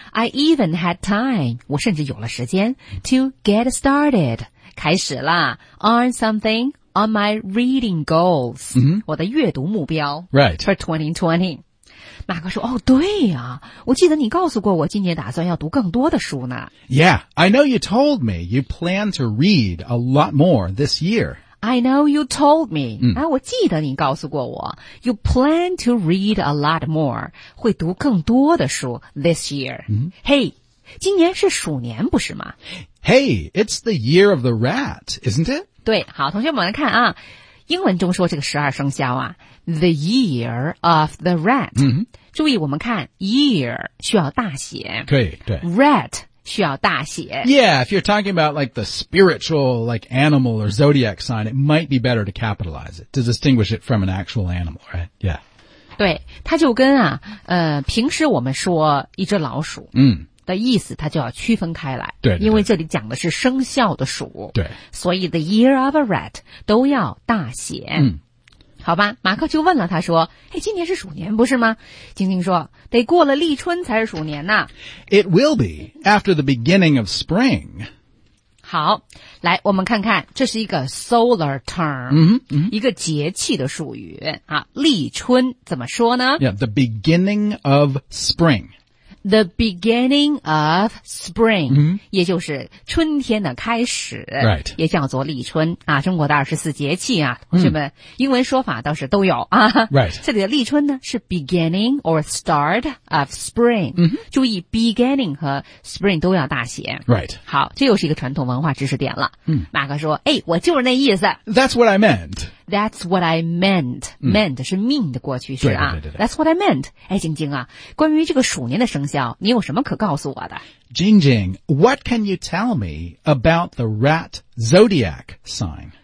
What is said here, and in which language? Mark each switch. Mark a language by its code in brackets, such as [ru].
[en] I even had time, [zh] 我甚至有了时间 [en] to get started, [zh] 开始了 [en] on something on my reading goals,、 mm-hmm. [zh] 我的阅读目标 [en] right. for 2020. [zh] 马克说哦对啊我记得你告诉过我今年打算要读更多的书呢。 [en] Yeah, I know you told me you plan to read a lot more this year. I know you told me,、嗯啊、 [zh] 我记得你告诉过我 [en] you plan to read a lot more, [zh] 会读更多的书 [en] this year.、嗯、 [zh] hey, 今年是鼠年不是吗 [en] ?Hey, it's the year of the rat, isn't it? [zh] 对好同学们来看啊英文中说这个十二生肖啊 [en] The year of the rat、嗯、 [zh] 注意我们看 year 需要大写可以对 rat 需要大写 [en] Yeah, if you're talking about like the spiritual like animal or zodiac sign it might be better to capitalize it to distinguish it from an actual animal, right? Yeah [zh] 对它就跟啊平时我们说一只老鼠嗯的意思它就要区分开来对, 对, 对因为这里讲的是生肖的鼠对所以 the year of a rat 都要大写嗯好吧马克就问了他说诶今年是鼠年不是吗晶晶说得过了立春才是鼠年呢 [en] It will be after the beginning of spring [zh] 好来我们看看这是一个 solar term、嗯嗯、一个节气的术语啊，立春怎么说呢 [en] Yeah, the beginning of spring the beginning of spring,、 mm-hmm. [zh] 也就是春天的开始、 [en] right. [zh] 也叫做立春、啊、中国的二十四节气啊，同学们、mm-hmm. 英文说法倒是都有啊。 [en] Right. [zh] 这里的立春呢是 [en] beginning or start of spring、 mm-hmm. [zh] 注意 beginning 和 spring 都要大写、 [en] right. [zh] 好，这又是一个传统文化知识点了、 mm-hmm. 马哥说哎，我就是那意思 [en] That's what I meant That's what I meant. Meant、嗯、 [zh] 是 mean 的过去式啊。对对对对 [en] That's what I meant. [zh] 哎，晶晶啊，关于这个鼠年的生肖，你有什么可告诉我的？ [en] Jingjing, what can you tell me about the rat zodiac sign?